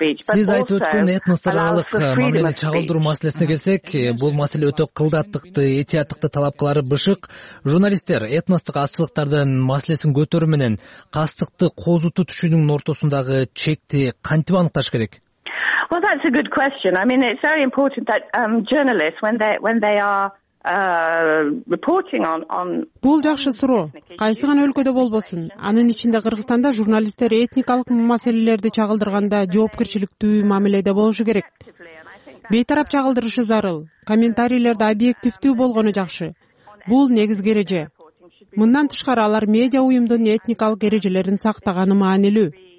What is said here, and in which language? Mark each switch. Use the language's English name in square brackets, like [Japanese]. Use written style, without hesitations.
[Kyrgyz] Сиз айтып өткөн этностор аралык мамилени чагылдыруу маселесине келсек, бул маселе өтө кылдаттыкты, этияттыкты талап кылары бышык. Журналисттер этностук азчылыктардын маселесин көтөрүү менен кастыкты козутуу түшүнүгүнүн ортосундагы чекти кантип аныкташ керек? [English] Well, that's a good question. I mean, it's very important that journalists when they are reporting on [Kyrgyz] Бул жакшы суроо. Кайсы гана өлкөдө болбосун, анын ичинде Кыргызстанда журналисттер этникалык маселелерди чагылдырганда жоопкерчиликтүү мамиледе болушу керек. Бейтарап чагылдырышы зарыл. Комментарийлерде объективдүү болгону жакшы. Бул негизги эреже. Мындан тышкары алар медиа уюмдун этникалык эрежелерин сактаганы маанилүү.